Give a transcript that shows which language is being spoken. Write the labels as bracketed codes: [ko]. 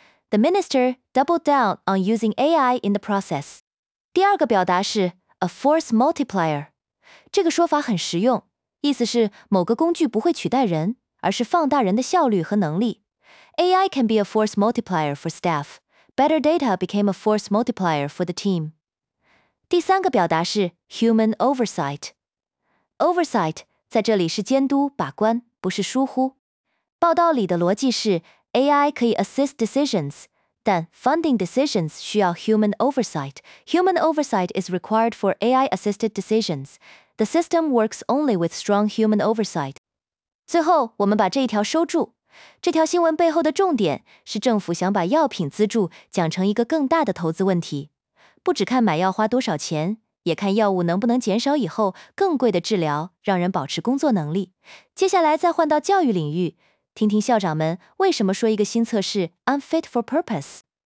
[en] The minister doubled down on using AI in the process. [zh] 第二个表达是 a force multiplier。这个说法很实用，意思是某个工具不会取代人，而是放大人的效率和能力。 [en] AI can be a force multiplier for staff. Better data became a force multiplier for the team. [zh] 第三个表达是 human oversight. Oversight 在这里是监督、把关，不是疏忽。报道里的逻辑是 AI 可以 [en] assist decisions， [zh] 但 [en] funding decisions [zh] 需要 human oversight. [en] Human oversight is required for AI-assisted decisions. The system works only with strong human oversight. [zh] 最后，我们把这一条收住。这条新闻背后的重点是政府想把药品资助讲成一个更大的投资问题，不只看买药花多少钱，也看药物能不能减少以后更贵的治疗，让人保持工作能力。接下来再换到教育领域，听听校长们为什么说一个新测试 [en] unfit for purpose。